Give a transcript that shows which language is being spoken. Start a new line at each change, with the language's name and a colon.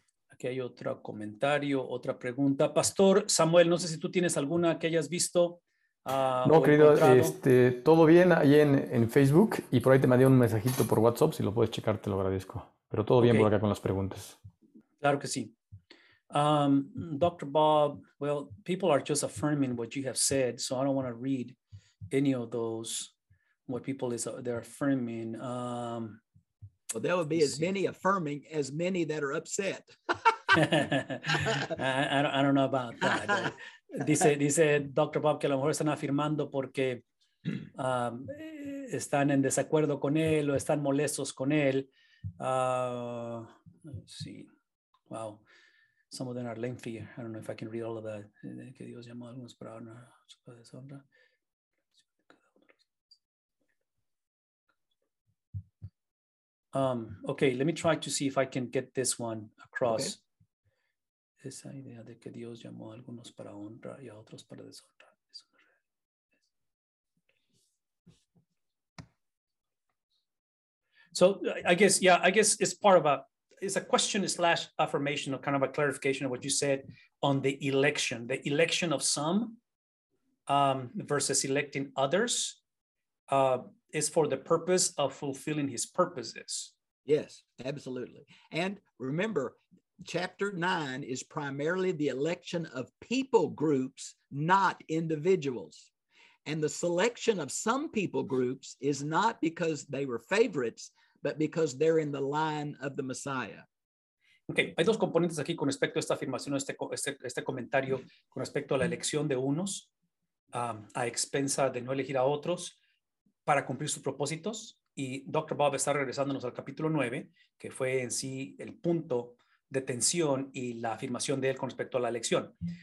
Spanish: Aquí hay otro comentario, otra pregunta. Pastor Samuel, no sé si tú tienes alguna que hayas visto. No, querido, todo bien ahí en Facebook y por ahí te mandé un mensajito por WhatsApp, si lo puedes checar, te lo agradezco. Pero todo bien por acá con las preguntas. Claro que sí. Dr.
English: Bob, well, people are just affirming what you have said, so I don't want to read any of those, what people they're affirming. Well, there would be as many affirming as many that are upset. I don't know about that.
Spanish: Dice Dr. Bob que a lo mejor están afirmando porque están en desacuerdo con él o están molestos con él.
English: Let's see. Wow. Some of them are lengthy. I don't know if I can read all of that.
Spanish: Que Dios llamó a algunos para una deshonra.
English: Okay, let me try to see if I can get this one across. Okay.
Spanish: Esa idea de que Dios llamó a algunos para honra y a otros para deshonra.
English: So I guess, yeah, I guess it's part of a, it's a question slash affirmation or kind of a clarification of what you said on the election of some versus electing others is for the purpose of fulfilling his purposes. Yes, absolutely. And remember, chapter 9 is primarily the election of people groups, not individuals. And the selection of some people groups is not because they were favorites, but because they're in the line of the Messiah.
Spanish: Okay, hay dos componentes aquí con respecto a esta afirmación, este comentario con respecto a la elección de unos a expensa de no elegir a otros para cumplir sus propósitos. Y Dr. Bob está regresándonos al capítulo 9, que fue en sí el punto de tensión y la afirmación de él con respecto a la elección.